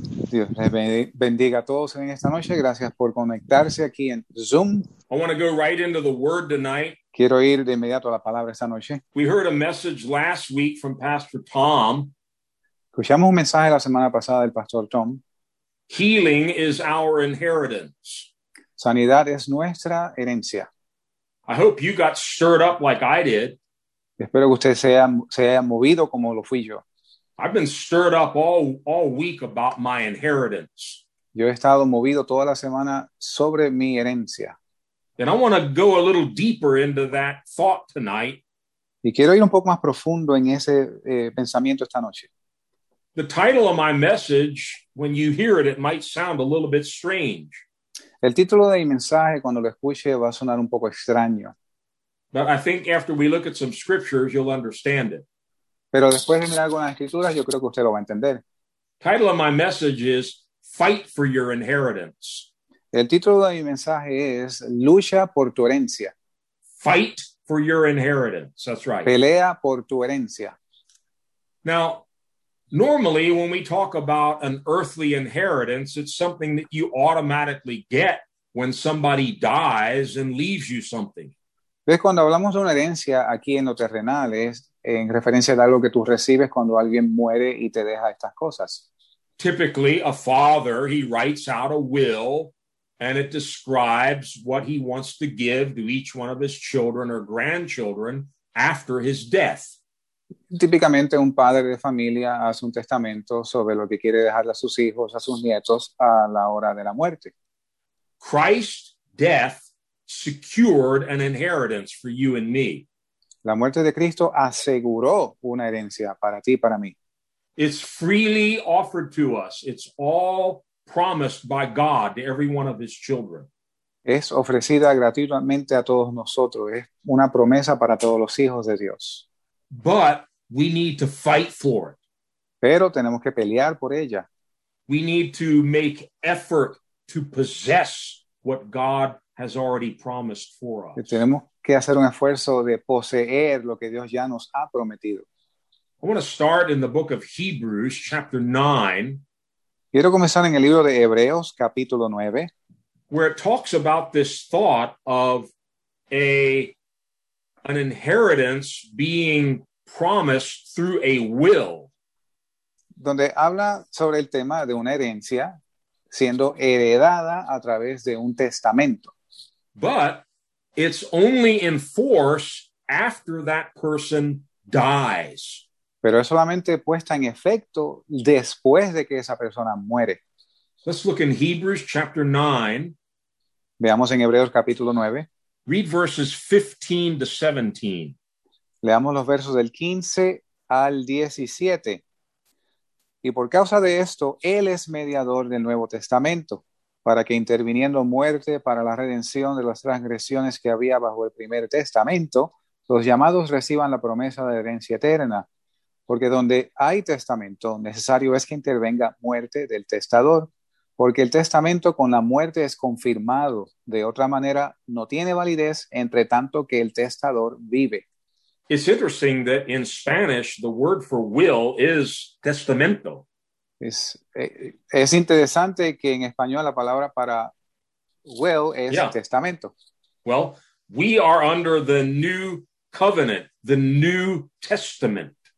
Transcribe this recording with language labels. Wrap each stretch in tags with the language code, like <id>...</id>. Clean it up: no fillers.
<es>Dios les bendiga a todos en esta noche. Gracias por conectarse aquí en Zoom.</es> <en>I want to go right into the word tonight.</en> <es>Quiero ir de inmediato a la palabra esta noche.</es> <en>We heard a message last week from Pastor Tom.</en> <es>Escuchamos un mensaje la semana pasada del Pastor Tom.</es> <en>Healing is our inheritance.</en> <es>Sanidad es nuestra herencia.</es> <en>I hope you got stirred up like I did.</en> <es>Espero que usted se haya movido como lo fui yo.</es> <en>I've been stirred up all week about my inheritance.</en> <es>Yo he estado movido toda la semana sobre mi herencia.</es> <en>And I want to go a little deeper into that thought tonight.</en> <es>Y quiero ir un poco más profundo en ese pensamiento esta noche.</es> <en>The title of my message, when you hear it, it might sound a little bit strange.</en> <es>El título de mi mensaje, cuando lo escuche, va a sonar un poco extraño.</es> <en>But I think after we look at some scriptures, you'll understand it.</en> <es>Pero después de mirar algunas escrituras, yo creo que usted lo va a entender.</es> <en>Title of my message is Fight for Your Inheritance.</en> <es>El título de mi mensaje es Lucha por tu herencia.</es> <en>Fight for your inheritance. That's right.</en> <es>Pelea por tu herencia.</es> <en>Now, normally when we talk about an earthly inheritance, it's something that you automatically get when somebody dies and leaves you something.</en> <es>¿Ves? Cuando hablamos de una herencia aquí en lo terrenal, es en referencia a algo que tú recibes cuando alguien muere y te deja estas cosas.</es> <en>Typically, a father, he writes out a will, and it describes what he wants to give to each one of his children or grandchildren after his death.</en> <es>Típicamente, un padre de familia hace un testamento sobre lo que quiere dejarle a sus hijos, a sus nietos, a la hora de la muerte.</es> <en>Christ's death secured an inheritance for you and me.</en> <es>La muerte de Cristo aseguró una herencia para ti y para mí.</es> <en>It's freely offered to us. It's all promised by God to every one of his children.</en> <es>Es ofrecida gratuitamente a todos nosotros. Es una promesa para todos los hijos de Dios.</es> <en>But we need to fight for it.</en> <es>Pero tenemos que pelear por ella.</es> <en>We need to make effort to possess what God has already promised for us.</en> <es>Tenemos que hacer un esfuerzo de poseer lo que Dios ya nos ha prometido.</es> <en>I want to start in the book of Hebrews, chapter 9.</en> <es>Quiero comenzar en el libro de Hebreos, capítulo 9.</es> <en>Where it talks about this thought of an inheritance being promised through a will.</en> <es>Donde habla sobre el tema de una herencia siendo heredada a través de un testamento.</es> <en>But it's only in force after that person dies.</en> <es>Pero es solamente puesta en efecto después de que esa persona muere.</es> <en>Let's look in Hebrews chapter 9.</en> <es>Veamos en Hebreos capítulo 9.</es> <en>Read verses 15 to 17.</en> <es>Leamos los versos del 15 al 17. Y por causa de esto, él es mediador del Nuevo Testamento, para que interviniendo muerte para la redención de las transgresiones que había bajo el primer testamento, los llamados reciban la promesa de herencia eterna. Porque donde hay testamento, necesario es que intervenga muerte del testador, porque el testamento con la muerte es confirmado. De otra manera, no tiene validez entre tanto que el testador vive.</es> <en>It's interesting that in Spanish, the word for will is testamento.</en> <es>Es interesante que en español la palabra para will es testamento.</es> <en>Well, we are under the new covenant, the new testament.</en>